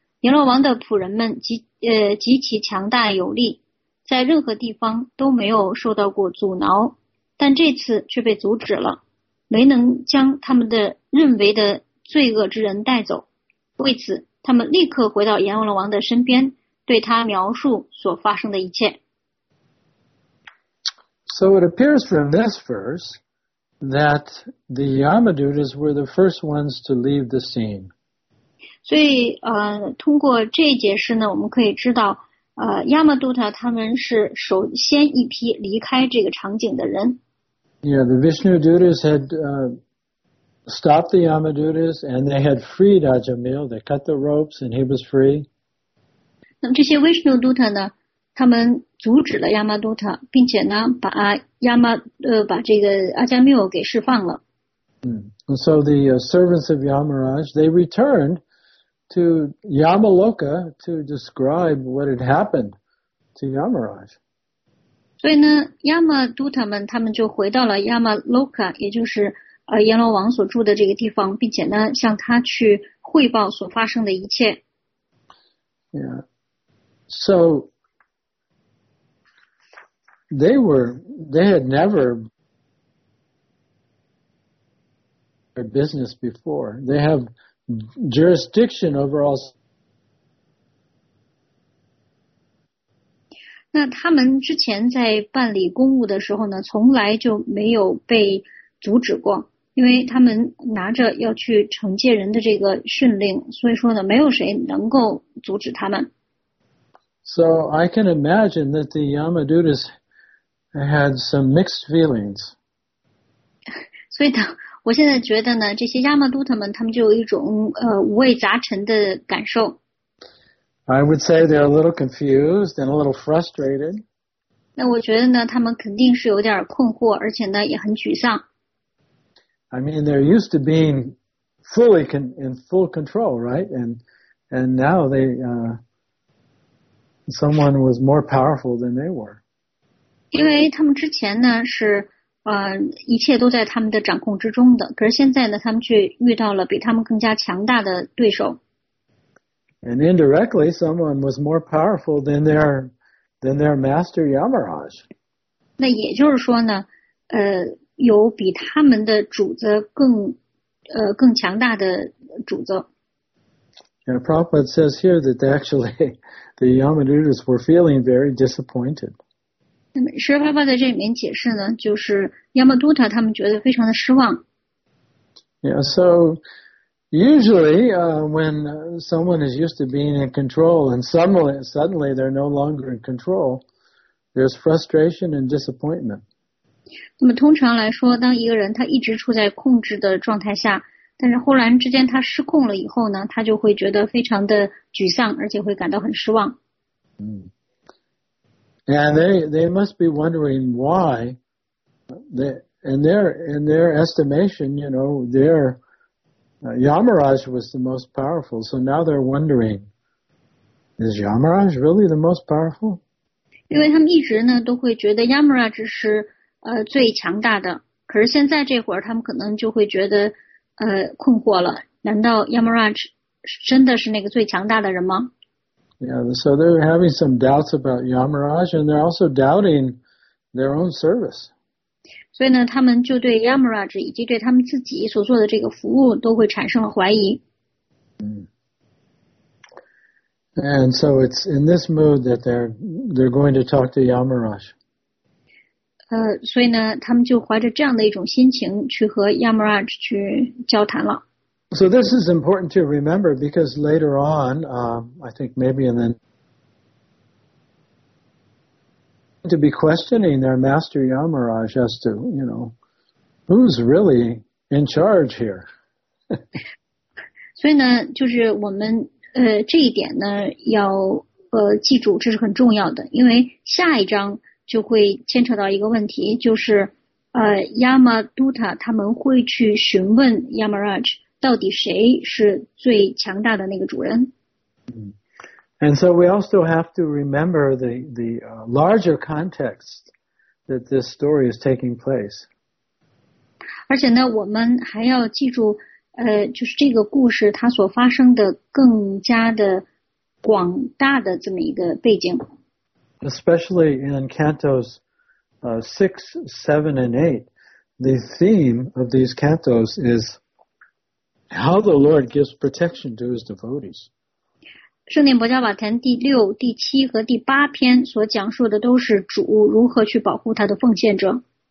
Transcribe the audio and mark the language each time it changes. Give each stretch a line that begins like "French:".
Chinese: 阎罗王的仆人们 极其强大有力，在任何地方都没有受到过阻挠，但这次却被阻止了，没能将他们的认为的罪恶之人带走。为此他们立刻回到阎罗王的身边，对他描述所发生的一切。
English: So it appears from this verse that the Yamadutas were the first ones to leave the scene.
Chinese: 所以通过这解释呢我们可以知道Yamaduta 他们是首先一批离开这个场景的人。
English: Yeah, the Vishnudutas had stopped the Yamadutas and they had freed Ajamil. They cut the ropes and he was free.
Chinese: 那么这些 Vishnuduta 呢他们阻止了 Yamaduta 并且呢把这个 Ajamil 给释放了。
English: And so the servants of Yamaraj, they returned to Yamaloka to describe what had happened to Yamaraj.
Chinese: 所以呢，亚玛都他们，他们就回到了亚玛洛卡，也就是阎罗王所住的这个地方，并且呢，向他去汇报所发生的一切。
English: Yeah. So they had never a business before. They have jurisdiction over all.
Chinese: 那他们之前在办理公务的时候呢，从来就没有被阻止过，因为他们拿着要去惩戒人的这个训令，所以说呢，没有谁能够阻止他们。
English: So I can imagine that the Yamadutas had some mixed feelings.
Chinese: 所以呢，我现在觉得呢，这些亚玛都他们，他们就有一种五味杂陈的感受。
English: I would say they're a little confused and a little frustrated.
Chinese: 那我觉得呢，他们肯定是有点困惑，而且呢也很沮丧。
English: I mean, they're used to being fully in full control, right? And now they, someone was more powerful than they were.
Chinese: 因为他们之前呢是一切都在他们的掌控之中的，可是现在呢，他们却遇到了比他们更加强大的对手。
English: And indirectly, someone was more powerful than their master Yamaraj.
Chinese: 那也就是说呢，有比他们的主子更强大的主子。
English: And Prabhupada says here that actually the Yamadutas were feeling very disappointed.
Chinese: 那么释迦牟尼佛在这里面解释呢，就是 Yamaduta 他们觉得非常的失望。
English: Yeah, so. Usually, when someone is used to being in control and suddenly they're no longer in control, there's frustration and disappointment.
Chinese: 那么通常来说，当一个人他一直处在控制的状态下，但是忽然之间他失控了以后呢，他就会觉得非常的沮丧，而且会感到很失望。
English: 嗯。And they must be wondering why. In their estimation, you know, they're. Yamaraj was the most powerful, so now they're wondering, is Yamaraj really the most powerful?
Chinese: 因为他们一直呢都会觉得 Yamaraj 是最强大的，可是现在这会儿他们可能就会觉得困惑了，难道 Yamaraj 真的是那个最强大的人吗？
English: Yeah, so they're having some doubts about Yamaraj, and they're also doubting their own service.
Chinese: 所以呢，他们就对 Yamaraj 以及对他们自己所做的这个服务都会产生了怀疑。
English: And so it's in this mood that they're going to talk to Yamaraj.
Chinese: 所以呢，他们就怀着这样的一种心情去和 Yamaraj 去交谈了。
English: So this is important to remember because later on, I think maybe in the to be questioning their master Yamaraj as to, you know, who's really in charge here.
Chinese: 所以呢，就是我们这一点呢要记住，这是很重要的，因为下一章就会牵扯到一个问题，就是Yamaduta 他们会去询问 Yamaraj 到底谁是最强大的那个主人。
English: And so we also have to remember the larger context that this story is taking place.
Chinese: 而且呢，我们还要记住，就是这个故事它所发生的更加的广大的这么一个背景。
English: Especially in cantos 6, 7, and 8, the theme of these cantos is how the Lord gives protection to his devotees.
Chinese: 圣殿博迦瓦坛第六、第七和第八篇所讲述的都是主如何去保护他的奉献者。